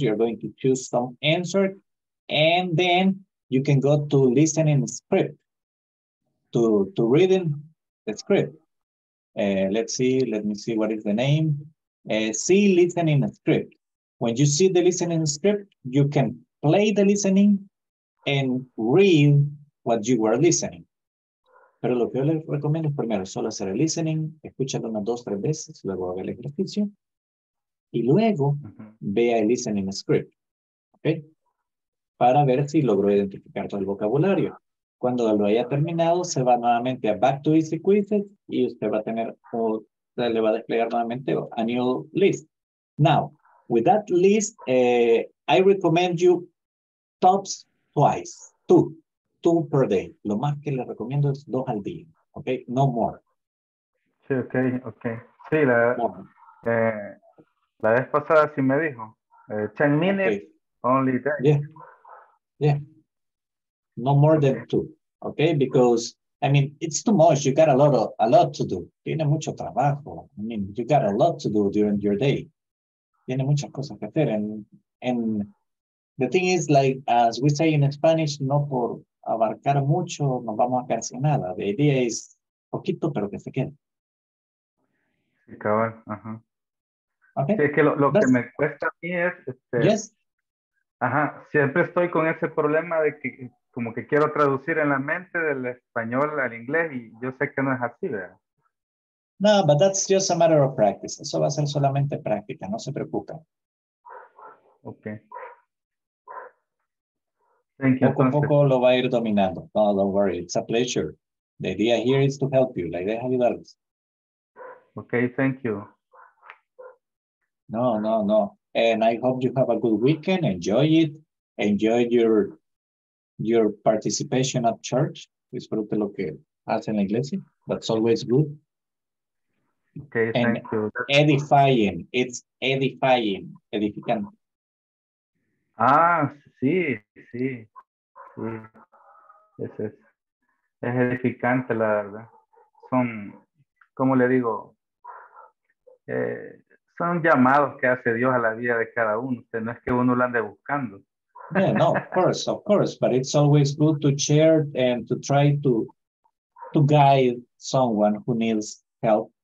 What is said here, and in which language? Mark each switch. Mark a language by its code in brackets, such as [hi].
[en] You are going to choose some answer, and then you can go to listening script, to reading the script. Let me see what is the name. See listening script. When you see the listening script, you can play the listening and read what you were listening. [es] Pero lo que yo les recomiendo es primero solo hacer el listening, escúchalo unas dos, tres veces, luego haga el ejercicio, y luego vea el listening script, ¿ok? Para ver si logró identificar todo el vocabulario. Cuando lo haya terminado, se va nuevamente a Back to Easy Quizzes y usted va a tener, o sea, le va a desplegar nuevamente a new list. [en] Now, with that list, I recommend you tops twice, two per day. [es] Lo más que le recomiendo es dos al día, ¿ok? [en] No more. [es] Sí, ok. Sí, la vez pasada sí me dijo, [en] 10 minutes, okay. Only 10. Yeah. Yeah, no more than two, okay? Because, I mean, it's too much. You got a lot to do. [es] Tiene mucho trabajo. [en] I mean, you got a lot to do during your day. [es] Tiene muchas cosas que hacer. [en] And the thing is, like, as we say in Spanish, [es] no por abarcar mucho, no vamos a quedar sin nada. [en] The idea is [es] poquito, pero que se quede. Sí, cabrón. Uh-huh. Okay. Sí, es que lo que me cuesta a mí es... [en] Yes. [es] Ajá, siempre estoy con ese problema de que como que quiero traducir en la mente del español al inglés y yo sé que no es así, ¿verdad? [en] No, but that's just a matter of practice. [es] Eso va a ser solamente práctica, no se preocupen. [en] Ok. Thank you. [es] Poco a poco lo va a ir dominando. [en] No, don't worry, it's a pleasure. The idea here is to help you, [es] la idea es ayudarles. [en] Ok, thank you. No. And I hope you have a good weekend. Enjoy it. Enjoy your participation at church. [es] Disfrute lo que hace en la iglesia. [en] That's always good. Okay, and thank you. Edifying. It's edifying. Edificante. [es] Ah, sí. Es edificante, la verdad. Son, ¿cómo le digo? Son llamados que hace Dios a la vida de cada uno. O sea, no es que uno lo ande buscando. [en] Yeah, no, of course. But it's always good to share and to try to guide someone who needs help.